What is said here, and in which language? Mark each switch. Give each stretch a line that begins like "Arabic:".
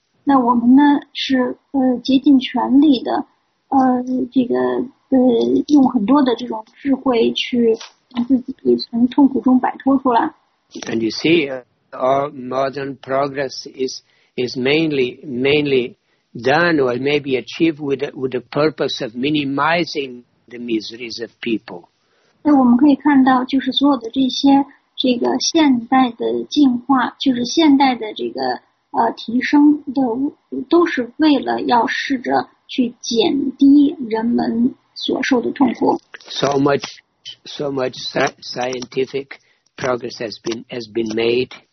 Chinese: 那我们呢是竭尽全力的这个用很多的这种智慧去让自己从痛苦中摆脱出来。
English: And you see, our modern progress is mainly done or maybe achieved with the purpose of minimizing the miseries of people.
Chinese: 那我们可以看到，就是所有的这些这个现代的进化，就是现代的这个提升的，都是为了要试着去减低人们所受的痛苦。
English: So much scientific progress has been made.